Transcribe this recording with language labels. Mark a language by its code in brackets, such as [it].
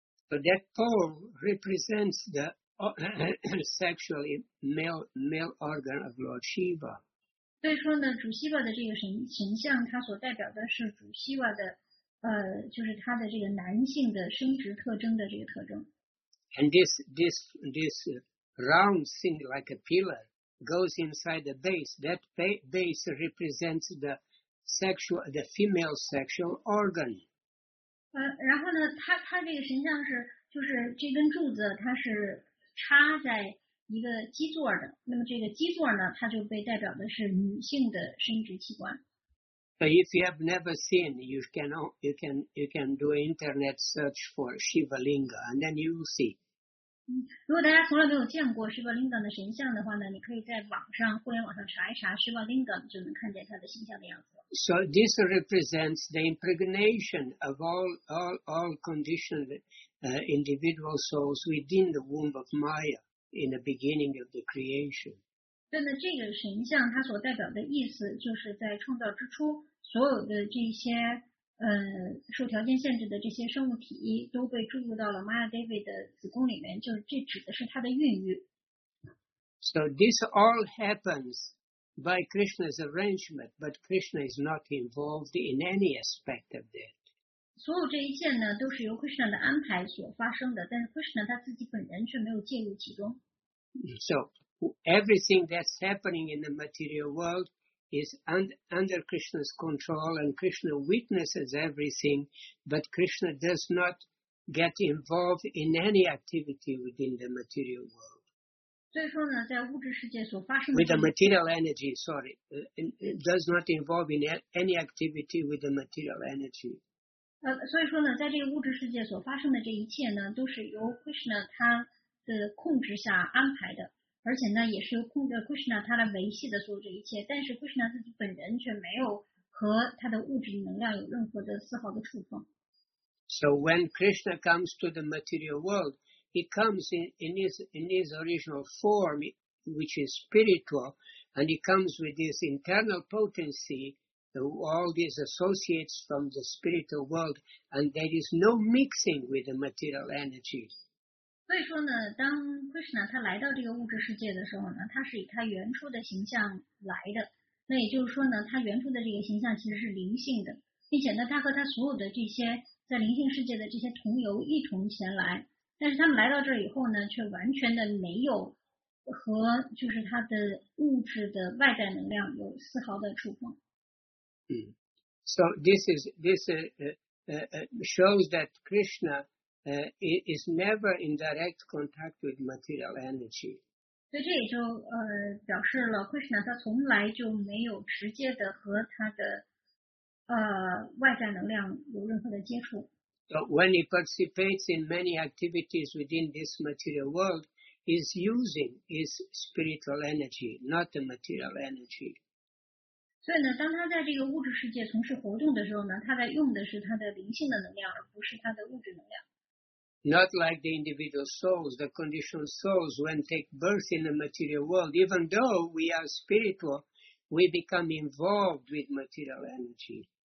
[en] But that pole represents the sexually male organ of Lord Shiva. [zh] 所以说呢，主希瓦的这个形象，它所代表的是主希瓦的，就是他的这个男性的生殖特征的这个特征。 [en] And this round thing like a pillar goes inside the base. That base represents the female sexual organ. [zh] 然后呢，他这个形象是，就是这根柱子，它是插在。一个基座的，那么这个基座呢，它就被代表的是女性的生殖器官。 [en] But if you have never seen, you can do internet search for Shiva Linga, and then you will see. [zh] 如果大家从来没有见过 Shiva Linga 的神像的话呢，你可以在网上互联网上查一查 Shiva Linga， 就能看见它的形象的样子。 [en] So this represents the impregnation of all conditioned individual souls within the womb of Maya. In the beginning of the creation. [zh] 对的，这个神像它所代表的意思就是在创造之初，所有的这些受条件限制的这些生物体都被注入到了 Maya Devi 的子宫里面，就是这指的是它的孕育。 [en] So this all happens by Krishna's arrangement, but Krishna is not involved in any aspect of that. [zh] 所有这一切呢，都是由 Krishna 的安排所发生的，但是 Krishna 他自己本人却没有介入其中。 [en] So everything that's happening in the material world is under Krishna's control, and Krishna witnesses everything, but Krishna does not get involved in any activity within the material world. [zh] 所以说呢，在物质世界所发生的 [en] with the material energy, sorry, does not involve in any activity with the material energy. [zh] 所以说呢，在这个物质世界所发生的这一切呢，都是由 Krishna 他的控制下安排的，而且呢，也是由控制 Krishna 他来维系的所有这一切。但是 Krishna 自己本人却没有和他的物质能量有任何的丝毫的触碰。 [en] So when Krishna comes to the material world, he comes in his original form, which is spiritual, and he comes with his internal potency. All these associates from the spiritual world, and there is no mixing with the material energy. [zh] 所以说呢，当 Krishna 他来到这个物质世界的时候呢，他是以他原初的形象来的。那也就是说呢，他原初的这个形象其实是灵性的，并且呢，他和他所有的这些在灵性世界的这些同游一同前来。但是他们来到这以后呢，却完全的没有和就是他的物质的外在能量有丝毫的触碰。 [en] So this shows that Krishna is never in direct contact with material energy. So this also [zh] 表示了 Krishna 他从来就没有直接的和他的外在能量有任何的接触。 [en] So when he participates in many activities within this material world, is using his spiritual energy, not the material energy. [zh] 所以呢，当他在这个物质世界从事活动的时候呢，他在用的是他的灵性的能量，而不是他的物质能量。 [en] Not like the individual souls, the conditioned souls, when take birth in the material world. Even though we are spiritual, we become involved with material energy.